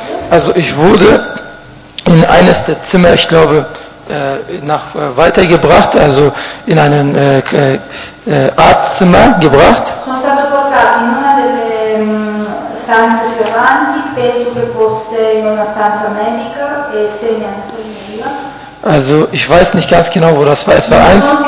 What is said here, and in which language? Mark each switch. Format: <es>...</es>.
<de>Also ich wurde in eines der Zimmer, ich glaube, nach weitergebracht, also in einen Arztzimmer gebracht.</de> <it>Sono stato portato in una delle stanze più avanti, penso che fosse in una stanza medica e se ne</it> <de>Also ich weiß nicht ganz genau, wo das war. Es war eins.</de>